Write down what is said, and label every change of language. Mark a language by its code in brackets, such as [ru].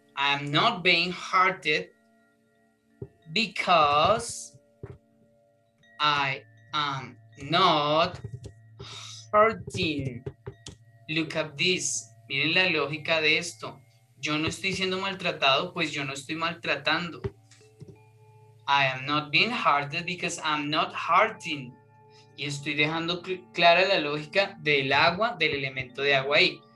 [en] I am not being hurted because I am not hurting. Look at this. [es] Miren la lógica de esto. Yo no estoy siendo maltratado, pues yo no estoy maltratando. [en] I am not being hurted because I am not hurting. [es] Y estoy dejando clara la lógica del agua, del elemento de agua ahí.